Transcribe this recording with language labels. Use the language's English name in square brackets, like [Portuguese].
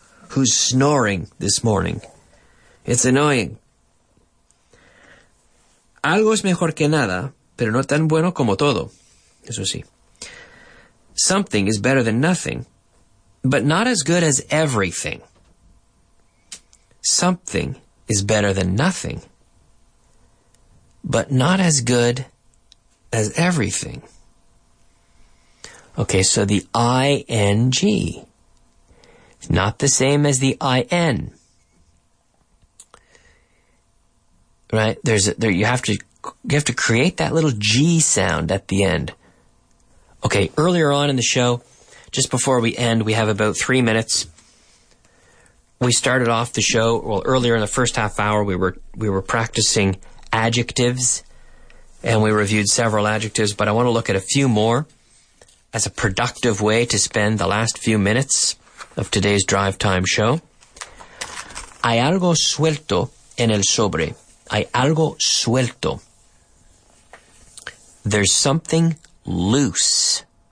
[English] Who's snoring this morning? It's annoying. [Spanish] Algo es mejor que nada, pero no tan bueno como todo. Eso sí. [English] Something is better than nothing, but not as good as everything. Something is better than nothing, but not as good as everything. Okay, so the ing, not the same as the IN. Right? You have to create that little G sound at the end. Okay, earlier on in the show, just before we end, we have about 3 minutes. We started off the show, well, earlier in the first half hour, we were practicing adjectives, and we reviewed several adjectives, but I want to look at a few more as a productive way to spend the last few minutes of today's Drive Time show. [Spanish] Hay algo suelto en el sobre. Hay algo suelto. [English] There's something loose